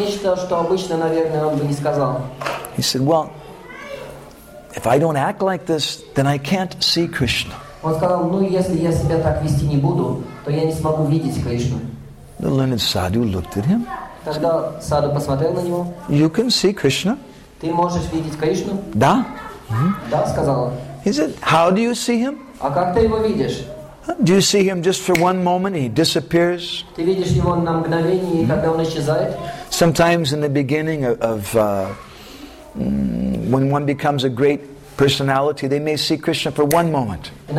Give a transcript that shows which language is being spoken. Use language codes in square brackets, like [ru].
[en] He said, "Well, if I don't act like this, then I can't see Krishna." [ru] Он сказал, ну если я себя так вести не буду, то я не смогу видеть Кришну. [en] The learned sadhu looked at him. [ru] Тогда саду посмотрел на него. [en] You can see Krishna. [ru] Ты можешь видеть Кришну? Да. Да, сказал он. [en] He said, how do you see him? [ru] А как ты его видишь? [en] Do you see him just for one moment and he disappears? [ru] Ты видишь его на мгновение, и тогда он исчезает? [en] Sometimes in the beginning of when one becomes a great personality, they may see Krishna for one moment.